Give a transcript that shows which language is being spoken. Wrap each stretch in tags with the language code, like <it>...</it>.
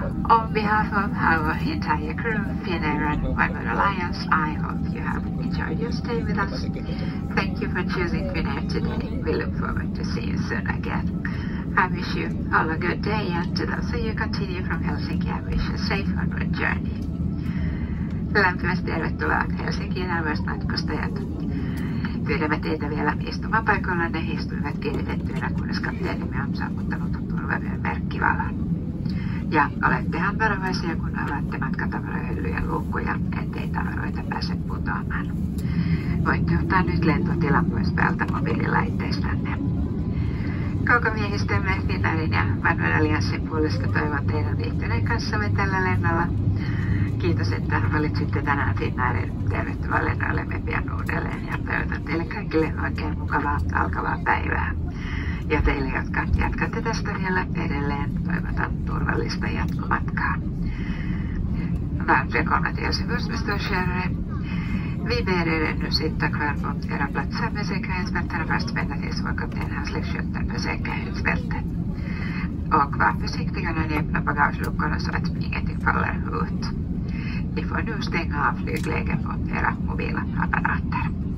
<en>On behalf of our entire crew, Finnair and Wyman Alliance, I hope you have enjoyed your stay with us. Thank you for choosing Finnair today. We look forward to seeing you soon again. I wish you all a good day, and to those of you continue from Helsinki, I wish you a safe onward journey.</en> <fi>Lämpimästi tervetuloa Helsinkiin avaruusmatkustajat. Pyydämme teitä vielä istumapaikoillanne istuimet kiinnitettyinä, kunnes kapteenimme on sammuttanut turvavyön merkkivalan. Ja olettehan varovaisia, kun avaatte matkatavarahyllyjen luukkuja, ettei tavaroita pääse putoamaan. Voitte ottaa nyt lentotilan pois päältä mobiililaitteistanne. Koko miehistömme Finnairin ja Wyman Alliancen puolesta toivon teidän viihtyneen kanssamme tällä lennolla. Kiitos, että valitsitte tänään Finnairin. Tervetuloa lennoillemme pian uudelleen ja toivotan teille kaikille oikein mukavaa alkavaa päivää. Ja teille, jotka jatkatte tästä vielä edelleen, toivotan turvallista jatkomatkaa. Varmpia kolmatias hyvys, Mr. Scherre.</fi> <sv>Vi ber er ännu sitta kvar på era platser med säkerhetsbältarna fast vända tills vår kapten har släckt skylten på säkerhetsbältet. Och var försiktiga när ni öppnar bagageluckorna så att ingenting faller ut. Ni får nu stänga av flygläget på era mobila apparater.</sv>